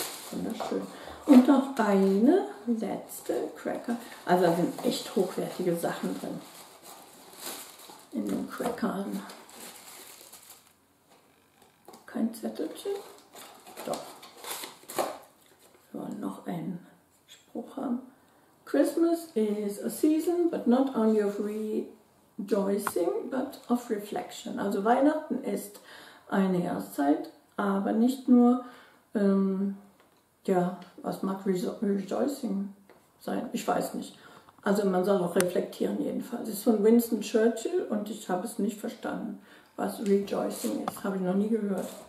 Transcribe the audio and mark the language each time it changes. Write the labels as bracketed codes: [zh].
[de] Wunderschön. Und noch eine letzte Cracker. Also da sind echt hochwertige Sachen drin. In den Crackern. Kein Zettelchen? Doch. Wir wollen noch einen Spruch haben. [en] Christmas is a season, but not only of rejoicing, but of reflection. [de] Also Weihnachten ist eine Jahreszeit, aber nicht nur, was mag rejoicing sein? Ich weiß nicht. Also man soll auch reflektieren jedenfalls. Es ist von Winston Churchill und ich habe es nicht verstanden, was rejoicing ist. Habe ich noch nie gehört.